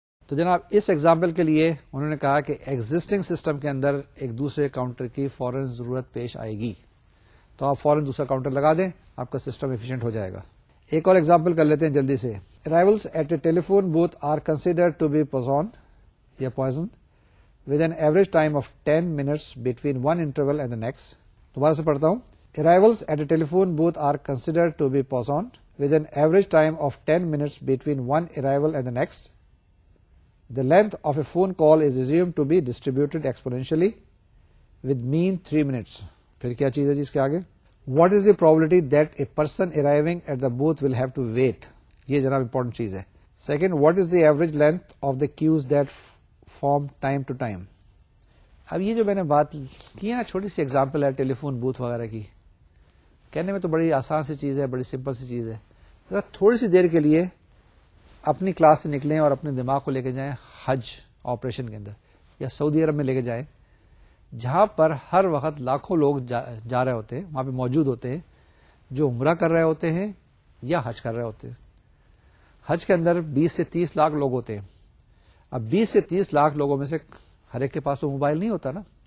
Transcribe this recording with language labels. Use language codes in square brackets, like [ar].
[ur] تو جناب اس ایگزامپل کے لیے انہوں نے کہا کہ ایگزٹنگ سسٹم کے اندر ایک دوسرے کاؤنٹر کی فوراً ضرورت پیش آئے گی تو آپ فوراً دوسرا کاؤنٹر لگا دیں آپ کا سسٹم ایفیشنٹ ہو جائے گا ایک اور ایگزامپل کر لیتے ہیں جلدی سے [en] arrivals at a telephone booth are consider to be Poisson یا Poisson with an average time of 10 minutes between one interval and the next [ur] دوبارہ سے پڑھتا ہوں arrivals at a telephone booth are consider to be پوزون with an average time of 10 minutes between one arrival and the next [en] the length of a phone call is resumed to be distributed exponentially with mean 3 minutes [ur] پھر کیا چیز ہے جس کے آگے [en] What is the probability that a person arriving at the booth will have to wait? [ur] یہ جناب important چیز ہے. [en] Second, what is the average length of the queues that form time to time? [ur] اب یہ جو میں نے بات کی ہے چھوٹی سی example ہے ٹیلیفون بوتھ وغیرہ کی کہنے میں تو بڑی آسان سی چیز ہے بڑی سمپل سی چیز ہے تھوڑی سی دیر کے لیے اپنی کلاس سے نکلیں اور اپنے دماغ کو لے کے جائیں حج آپریشن کے اندر یا سعودی عرب میں لے کے جائیں جہاں پر ہر وقت لاکھوں لوگ جا رہے ہوتے ہیں وہاں پہ موجود ہوتے ہیں جو عمرہ کر رہے ہوتے ہیں یا حج کر رہے ہوتے ہیں حج کے اندر 20 سے 30 لاکھ لوگ ہوتے ہیں اب 20 سے 30 لاکھ لوگوں میں سے ہر ایک کے پاس تو موبائل نہیں ہوتا نا